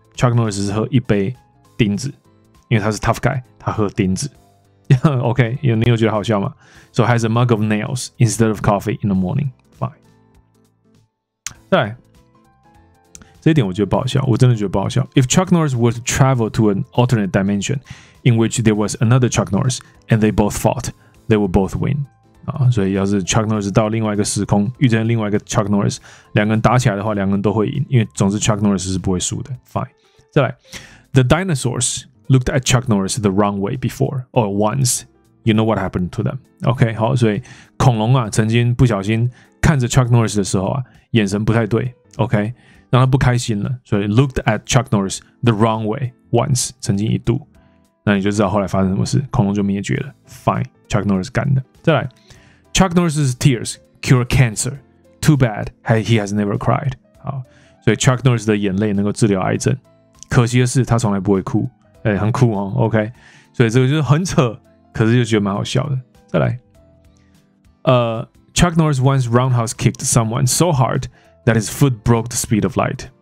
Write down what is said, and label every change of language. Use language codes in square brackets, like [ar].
[zh] Chuck Norris 是喝一杯钉子，因为他是 [en] tough guy， [zh] 他喝钉子。 [en] OK， [zh] 你有觉得好笑吗 [en] ？So has a mug of nails instead of coffee in the morning. Fine. [zh] 再来，这一点我觉得不好笑，我真的觉得不好笑。 [en] If Chuck Norris were to travel to an alternate dimension in which there was another Chuck Norris and they both fought, they would both win. [zh] 所以要是 Chuck Norris 到另外一个时空遇见另外一个 Chuck Norris， 两个人打起来的话，两个人都会赢，因为总之 Chuck Norris 是不会输的。Fine。再来 [en] ，The dinosaurs looked at Chuck Norris the wrong way before or once. You know what happened to them? [zh] OK， 好，所以恐龙啊，曾经不小心看着 Chuck Norris 的时候啊，眼神不太对。 OK， 让他不开心了，所以 [en] looked at Chuck Norris the wrong way once， [zh] 曾经一度。那你就知道后来发生什么事，恐龙就灭绝了。 [en] Fine， Chuck Norris [zh] 干的。再来 [en] ，Chuck Norris's tears cure cancer. Too bad he has never cried. [zh] 好，所以 Chuck Norris 的眼泪能够治疗癌症。可惜的是，他从来不会哭，欸，很酷哦。OK， 所以这个就是很扯，可是就觉得蛮好笑的。 [en] 再来，Chuck Norris once roundhouse kicked someone so hard that his foot broke the speed of light.